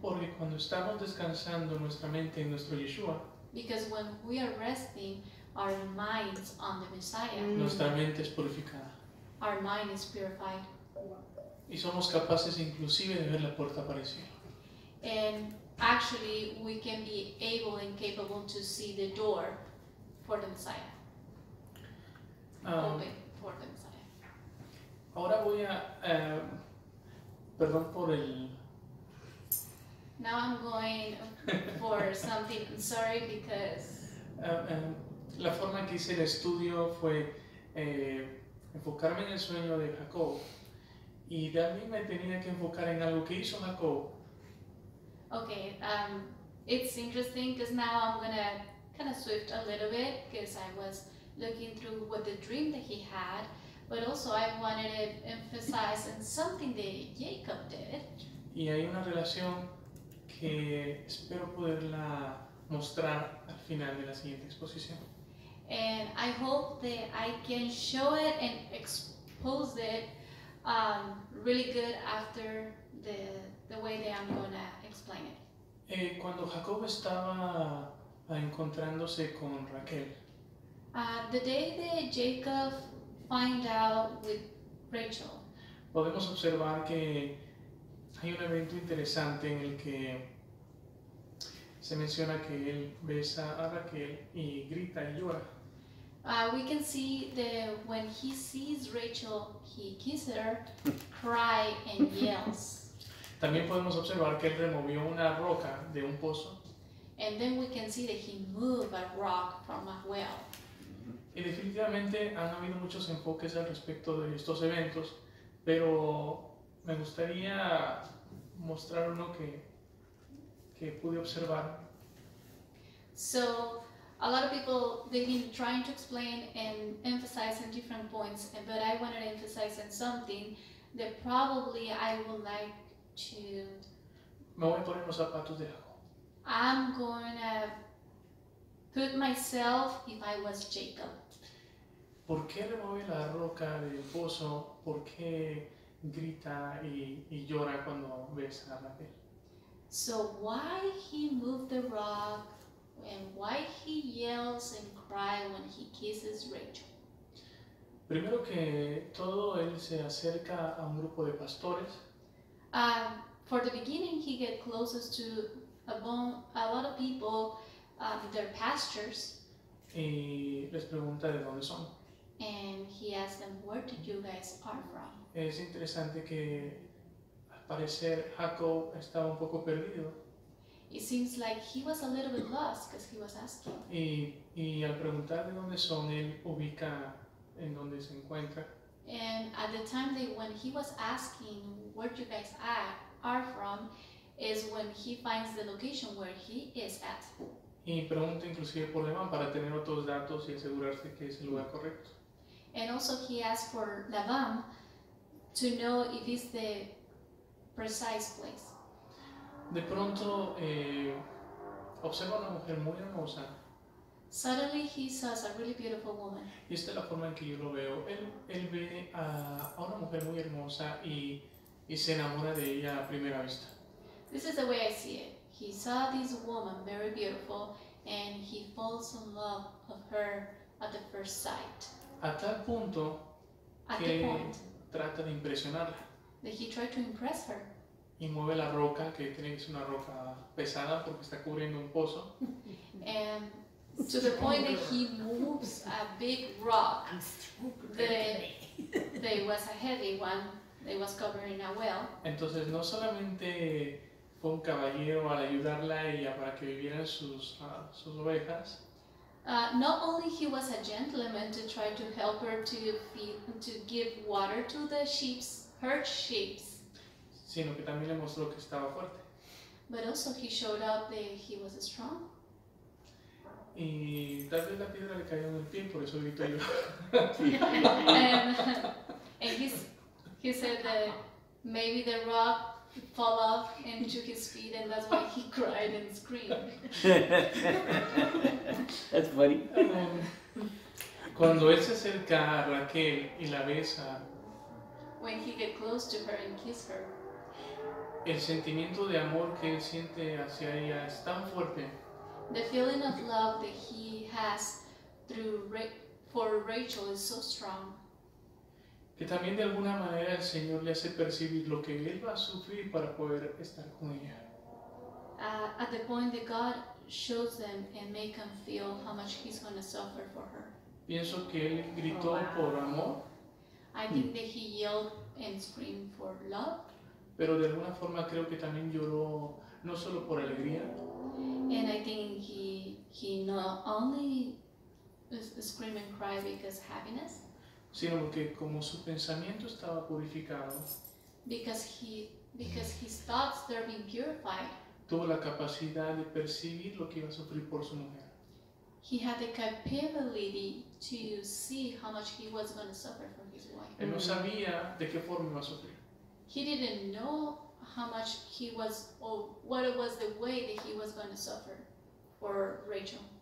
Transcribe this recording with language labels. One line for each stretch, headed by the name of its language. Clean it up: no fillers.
Spanish: Porque cuando estamos descansando nuestra mente en nuestro Yeshua,
English: because when we are resting our minds on the Messiah,
Spanish: nuestra mente es purificada.
English: Our mind is purified.
Spanish: Y somos capaces inclusive de ver la puerta para el cielo.
English: And actually we can be able and capable to see the door for the Messiah. Open for the Messiah.
Spanish: Ahora voy a perdón por el
English: Now I'm going for something. I'm sorry because.
Spanish: La forma que hice el estudio fue enfocarme en el sueño de Jacob y también me tenía que enfocar en algo que hizo Jacob.
English: Okay, it's interesting because now I'm gonna kind of shift a little bit because I was looking through what the dream that he had, but also I wanted to emphasize on something that Jacob did.
Spanish: Y hay una relación que espero poderla mostrar al final de la siguiente exposición.
English: And I hope that I can show it and expose it really good after the way that I'm gonna explain it.
Spanish: Cuando Jacob estaba encontrándose con Raquel.
English: The day that Jacob find out with Rachel.
Spanish: Podemos observar que hay un evento interesante en el que se menciona que él besa a Raquel y grita y llora.
English: We can see that when he sees Rachel, he kisses her, cries, and yells.
Spanish: También podemos observar que él removió una roca de un pozo.
English: And then we can see that he moved a rock from a well.
Spanish: Y definitivamente han habido muchos enfoques al respecto de estos eventos, pero me gustaría mostrar uno que pude observar.
English: So, a lot of people, they've been trying to explain and emphasize in different points, but I wanted to emphasize in something that probably I would like to...
Spanish: Me voy a poner los zapatos de Jacob.
English: I'm going to put myself if I was Jacob.
Spanish: ¿Por qué le mueve la roca del pozo? ¿Por qué grita y llora cuando besa a Raquel?
English: So why he moved the rock and why he yells and cries when he kisses Rachel?
Spanish: Primero que todo, él se acerca a un grupo de pastores.
English: For the beginning, he get closest to a lot of people, their pastors.
Spanish: Y les pregunta de dónde son.
English: And he asks them, where do you guys are from?
Spanish: Es interesante que al parecer Jacob estaba un poco perdido.
English: It seems like he was a little bit lost because he was asking.
Spanish: Y al preguntar de dónde son, él ubica en dónde se encuentra.
English: And at the time that when he was asking where you guys are from, is when he finds the location where he is at.
Spanish: Y pregunta inclusive por Levan para tener otros datos y asegurarse que es el lugar correcto.
English: And also he asked for Levan to know if it's the precise place.
Spanish: De pronto, observa una mujer muy hermosa.
English: Suddenly he sees a really beautiful woman.
Spanish: Y esta es la forma en que yo lo veo. Él ve a una mujer muy hermosa y se enamora de ella a primera vista.
English: This is the way I see it. He saw this woman very beautiful and he falls in love of her at the first sight.
Spanish: A tal punto
English: at
Spanish: que
English: the point,
Spanish: trata de impresionarla.
English: That he tried to impress her.
Spanish: Y mueve la roca, que tiene que ser una roca pesada porque está cubriendo un pozo.
English: And to the point that he moves a big rock that was a heavy one, that was covering a well.
Spanish: Entonces no solamente fue un caballero al ayudarla y para que vivieran sus ovejas.
English: Not only he was a gentleman to try to help her to give water to the sheep, her sheep.
Spanish: Sino que también le mostró que estaba fuerte.
English: But also he showed out that he was strong.
Spanish: Y tal vez la piedra le cayó en el pie, por eso gritó yo.
English: And he said that maybe the rock fell off and took his feet, and that's why he cried and screamed. That's funny.
Spanish: Cuando él se acerca a Raquel y la besa.
English: When he get close to her and kiss her.
Spanish: El sentimiento de amor que él siente hacia ella es tan fuerte.
English: The feeling of love that he has through for Rachel is so strong.
Spanish: Que también de alguna manera el Señor le hace percibir lo que él va a sufrir para poder estar con ella.
English: At the point that God shows them and make them feel how much he's going to suffer for her.
Spanish: Pienso que él gritó por amor.
English: I think that he yelled and screamed for love.
Spanish: Pero de alguna forma creo que también lloró no solo por alegría.
English: And I think he not only scream and cry because happiness,
Spanish: sino porque como su pensamiento estaba purificado,
English: because his thoughts were being purified,
Spanish: tuvo la capacidad de percibir lo que iba a sufrir por su mujer.
English: He had the capability to see how much he was going to suffer from his wife.
Spanish: Él no sabía de qué forma iba a sufrir.
English: He didn't know how much he was, or what was the way that he was going to suffer for Rachel.